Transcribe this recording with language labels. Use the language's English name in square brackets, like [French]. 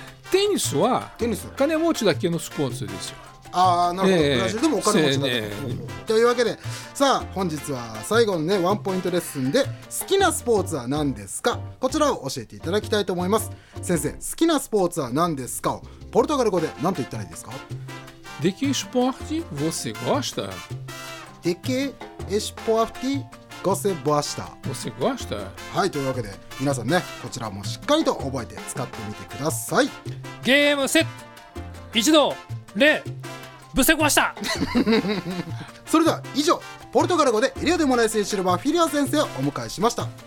[Japanese] テニスは金持ちだけのスポーツですよ。あ、なるほど、ブラジルでもお金持ちだ、というわけで、さあ本日は最後のねワンポイントレッスンで、好きなスポーツは何ですか、こちらを教えていただきたいと思います。先生、好きなスポーツは何ですかをポルトガル語で何と言ったらいいですか？ [Portuguese] De que esporte você gosta? De que esporte você gosta? Você gosta? [Japanese] はい、というわけで皆さんね、こちらもしっかりと覚えて使ってみてください。ゲームセット、一度レブセコました。それでは以上、ポルトガル語でエリオデモライスエシルバーフィリア先生をお迎えしました。